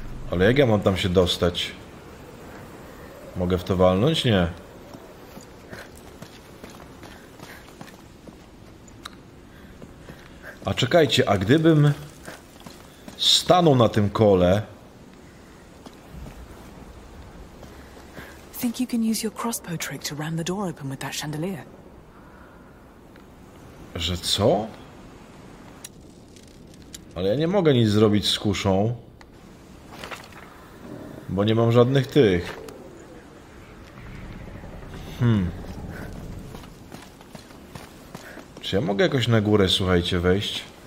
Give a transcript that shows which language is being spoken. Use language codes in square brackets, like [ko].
[pl] Ale jak ja mam tam się dostać? Mogę w to walnąć? Nie. A czekajcie, a gdybym stanął na tym kole... [en] Think you can use your crossbow trick to ram the door open with that chandelier. [pl] Że co? Ale ja nie mogę nic zrobić z kuszą. Bo nie mam żadnych tych. Czy ja mogę jakoś na górę, słuchajcie, wejść?